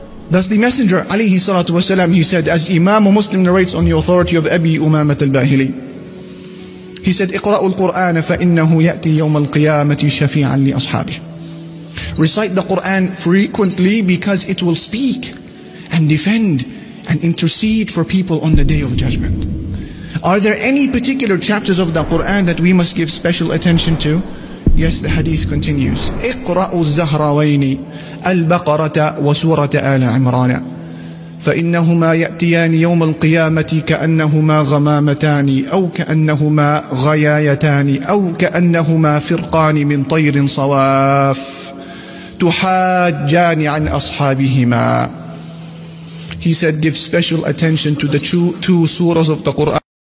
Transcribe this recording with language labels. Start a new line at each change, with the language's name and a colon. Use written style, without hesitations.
English: Thus the Messenger, alayhi salatu wasalam, he said, as Imam Muslim narrates on the authority of Abi Umamah al-Bahili, he said,
Arabic: اقرأوا القرآن فإنه يأتي يوم القيامة شفيعا لأصحابه.
English: Recite the Quran frequently because it will speak and defend and intercede for people on the Day of Judgment. Are there any particular chapters of the Quran that we must give special attention to? Yes, the hadith continues.
Arabic: اقرأوا الزهراوين البقرة وسورة آل عمران فإنهما يأتيان يوم القيامة كأنهما غمامتان أو كأنهما غيايتان أو كأنهما فرقان من طير صواف تحاجان عن أصحابهما.
English: He said, give special attention to the two surahs of the Quran.